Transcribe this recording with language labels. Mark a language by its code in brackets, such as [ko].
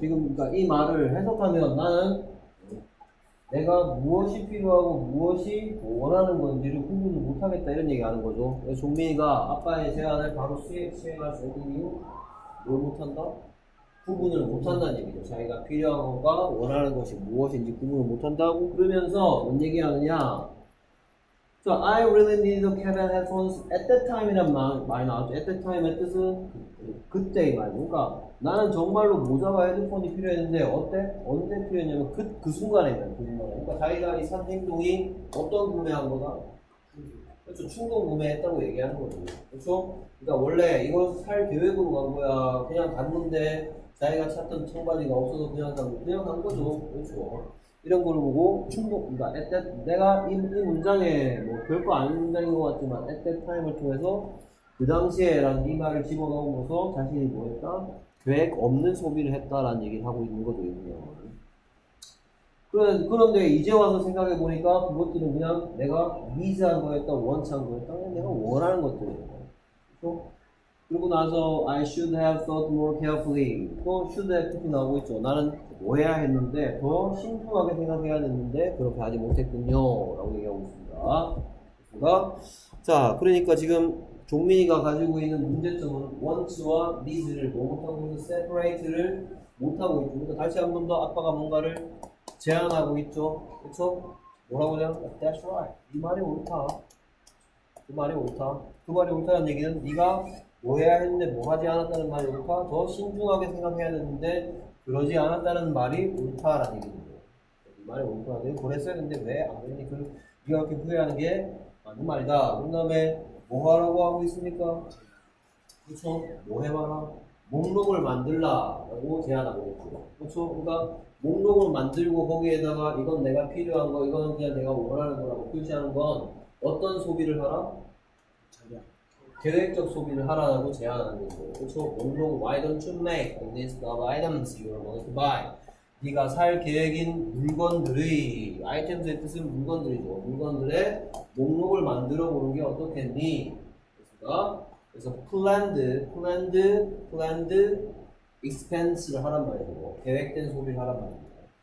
[ko] 지금 그러니까 이 말을 해석하면 나는 내가 무엇이 필요하고 무엇이 원하는 건지를 구분을 못하겠다 이런 얘기하는 거죠. 종민이가 아빠의 제안을 바로 수행할 수 있는 이유 뭘 못한다? 구분을 못한다는 얘기죠. 자기가 필요한 것과 원하는 것이 무엇인지 구분을 못한다고 그러면서 뭔 얘기하느냐. [en] So I really need a cab and headphones at that time이란 말이 나왔죠. At that time [ko] 의 뜻은 그때의 말이니까 그러니까 나는 정말로 모자와 헤드폰이 필요했는데 어때? 언제 필요했냐면 그 순간에 그 순간에 그러니까 자기가 이 산 행동이 어떤 구매한 거다? 그렇죠. 충동 구매했다고 얘기하는 거죠. 그렇죠? 그러니까 원래 이걸 살 계획으로 간 거야. 그냥 갔는데 자기가 찾던 청바지가 없어서 그냥 간 거죠. 그렇죠. 이런 걸 보고 충동, 그러니까 내가 이 문장에 뭐 별거 아닌 문장인 것 같지만 [en] at that time [ko] 을 통해서 그 당시에 라는 이 말을 집어넣으면서 자신이 뭐 했다? 계획 없는 소비를 했다라는 얘기를 하고 있는 거죠. 그런데 이제 와서 생각해 보니까 그것들은 그냥 내가 needs한 거였다, want한 거였다, 내가 원하는 것들이에요. 그렇죠? [en] 그리고 나서 I should have thought more carefully. [ko] 또 [en] should have [ko] 특히 나오고 있죠. 나는 뭐 해야 했는데 더 신중하게 생각해야 했는데 그렇게 하지 못했군요 라고 얘기하고 있습니다. 그러니까 자 그러니까 지금 종민이가 가지고 있는 문제점은 want와 needs를 뭐 못하고 있는 separate를 못하고 있죠. 그러니까 다시 한 번 더 아빠가 뭔가를 제안하고 있죠. 그렇죠? 뭐라고 하냐면 [en] That's right. [ko] 이 말이 옳다. 그 말이 옳다. 그 말이 옳다는 얘기는 네가 뭐 해야 했는데 뭐 하지 않았다는 말이 옳다. 더 신중하게 생각해야 했는데 그러지 않았다는 말이 옳다라는 얘기입니다. 이 말이 옳다. 내가 그랬어야 했는데 왜 아버님이 그렇게 후회하는 게 맞는 말이다. 그 다음에 뭐 하라고 하고 있습니까? 그렇죠? 뭐 해봐라. 목록을 만들라라고 제안하고 있고. 그렇죠? 그러니까 목록을 만들고 거기에다가 이건 내가 필요한 거, 이건 그냥 내가 원하는 거라고 표시하는 건 어떤 소비를 하라? 계획적 소비를 하라고 제안하는 거죠. 그렇죠? [en] 목록 Why don't you make a list of items you are going to buy? [ko] 네가 살 계획인 물건들의 아이템의 뜻은 물건들이죠. 물건들의 목록을 만들어 보는 게 어떻겠니? 그래서 [en] planned expense [ko] 를 하란 말이죠. 계획된 소비를 하란 말입니다.